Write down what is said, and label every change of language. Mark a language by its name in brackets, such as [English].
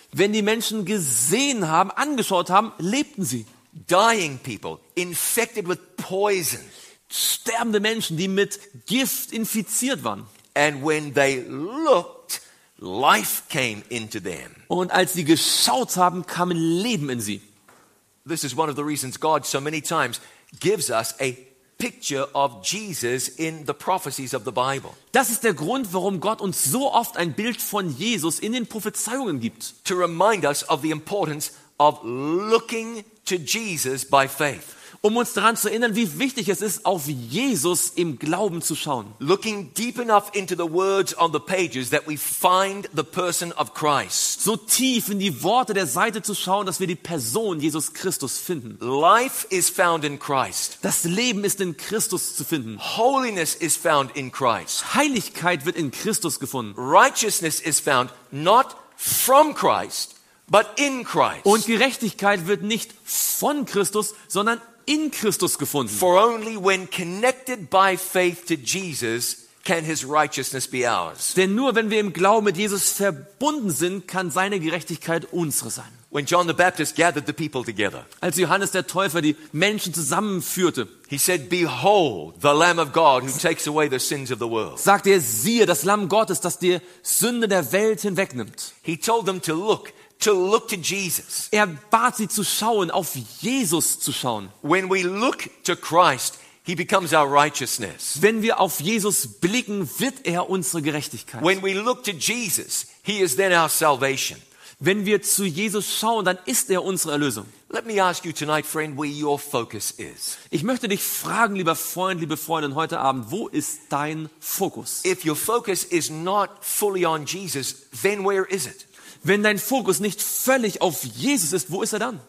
[German] Wenn die Menschen gesehen haben, angeschaut haben, lebten sie. [English] Dying people infected with poison. [German] Sterbende Menschen, die mit Gift infiziert waren. [English] And when they looked, life came into them. [German] Und als sie geschaut haben, kam Leben in sie. [English] This is one of the reasons God so many times gives us a picture of Jesus in the prophecies of the Bible. [German] Das ist der Grund, warum Gott uns so oft ein Bild von Jesus in den Prophezeiungen gibt. [English] To remind us of the importance of looking to Jesus by faith. [German] Um uns daran zu erinnern, wie wichtig es ist, auf Jesus im Glauben zu schauen. [English] Looking deep enough into the words on the pages that we find the person of Christ. [German] So tief in die Worte der Seite zu schauen, dass wir die Person Jesus Christus finden. [English] Life is found in Christ. [German] Das Leben ist in Christus zu finden. [English] Holiness is found in Christ. [German] Heiligkeit wird in Christus gefunden. [English] Righteousness is found not from Christ, but in Christ. [German] Und Gerechtigkeit wird nicht von Christus, sondern in Christus gefunden. [English] For only when connected by faith to Jesus can his righteousness be ours. [German] Denn nur wenn wir im Glauben mit Jesus verbunden sind, kann seine Gerechtigkeit unsere sein. [English] When John the Baptist gathered the people together. [German] Als Johannes der Täufer die Menschen zusammenführte. [English] He said, "Behold, the Lamb of God who takes away the sins of the world." [German] Sagte er, siehe das Lamm Gottes, das die Sünde der Welt hinwegnimmt. [English] He told them to look. To look to Jesus. [German] Er bat sie zu schauen, auf Jesus zu schauen. [English] When we look to Christ, he becomes our righteousness. [German] Wenn wir auf Jesus blicken, wird er unsere Gerechtigkeit. [English] When we look to Jesus, he is then our salvation. [German] Wenn wir zu Jesus schauen, dann ist er unsere Erlösung. [English] Let me ask you tonight, friend, where your focus is. [German] Ich möchte dich fragen, lieber Freund, liebe Freundin, heute Abend, wo ist dein Fokus? [English] If your focus is not fully on Jesus, then where is it? [German] Wenn dein Fokus nicht völlig auf Jesus ist, wo ist er dann?